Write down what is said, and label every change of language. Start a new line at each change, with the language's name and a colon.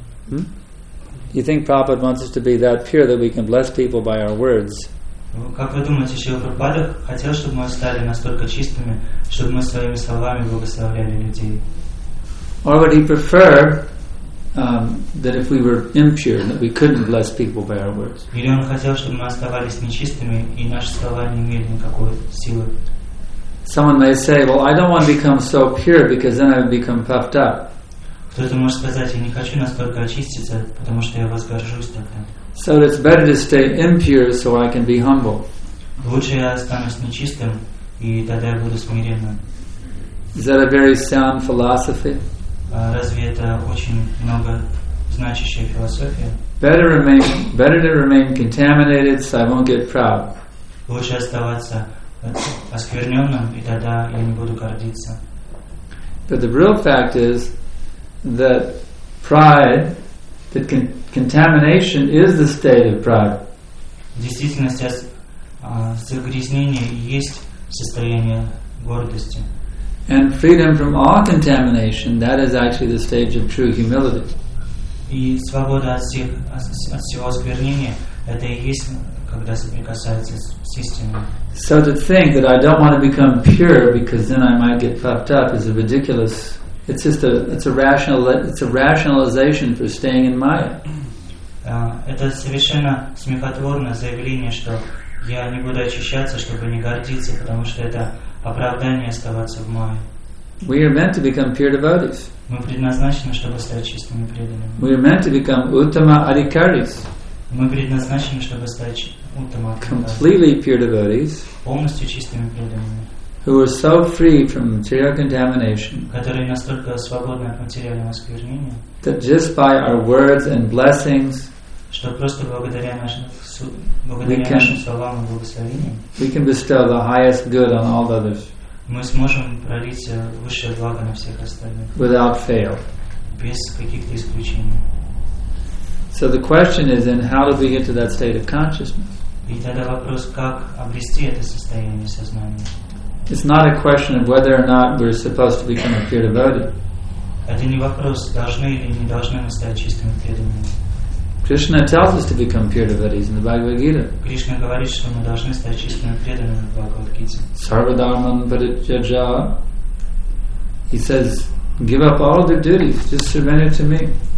English: Do you think Prabhupada wants us to be that pure that we can bless people by our words?
Russian: Как вы думаете, Шрила Прабхупада хотел, чтобы мы стали настолько чистыми, чтобы мы своими словами благословляли людей?
English: Or would he prefer that if we were impure, that we couldn't bless people by our words?
Russian: Или он хотел, чтобы мы оставались нечистыми и наши слова не имели никакой силы?
English: Someone may say, "Well, I don't want to become so pure because then I would become puffed up."
Russian: Кто-то может сказать, я не хочу настолько очиститься, потому что я возгоржусь тогда.
English: So it's better to stay impure so I can be humble.
Russian: Лучше я останусь нечистым, и тогда я буду смиренным.
English: Is that a very sound philosophy?
Russian: Разве это очень много значащая философия?
English: Better to remain contaminated so I won't get proud.
Russian: Лучше оставаться оскверненным, и тогда я не буду гордиться.
English: But the real fact is that pride, that contamination is the state of pride.
Russian: В действительности, загрязнение есть состояние гордости.
English: And freedom from all contamination, that is actually the stage of true humility.
Russian: И свобода от всего осквернения, это и есть, когда соприкасается с истиной.
English: So to think that I don't want to become pure because then I might get puffed up is a ridiculous. It's just it's a rationalization for staying in Maya.
Russian: Это совершенно смехотворное заявление, что я не буду очищаться, чтобы не гордиться, потому что это оправдание оставаться в Майе.
English: We are meant to become pure devotees.
Russian: Мы предназначены, чтобы стать чистыми преданными.
English: We are meant to become uttama adhikaris.
Russian: Мы предназначены, чтобы стать уттама адхикарис.
English: Completely pure devotees.
Russian: Полностью чистыми преданными.
English: Who are so free from material contamination,
Russian: которые настолько свободны от материального осквернения,
English: that just by our words and blessings,
Russian: что просто благодаря нашим словам и благословениям,
English: we can bestow the highest good on all others.
Russian: мы сможем пролить высшее благо на всех остальных.
English: Without fail.
Russian: Без каких-то исключений.
English: So the question is then, how do we get to that state of consciousness?
Russian: И тогда вопрос, как обрести это состояние сознания?
English: It's not a question of whether or not we're supposed to become a pure devotee.
Russian: Это не вопрос, должны или не должны мы стать чистыми преданными.
English: Krishna tells us to become pure devotees in the Bhagavad Gita.
Russian: Krishna говорит, что мы должны стать чистыми преданными в Бхагавад Гите.
English: Sarvadharman Parityaja. He says, give up all the duties, just surrender to me.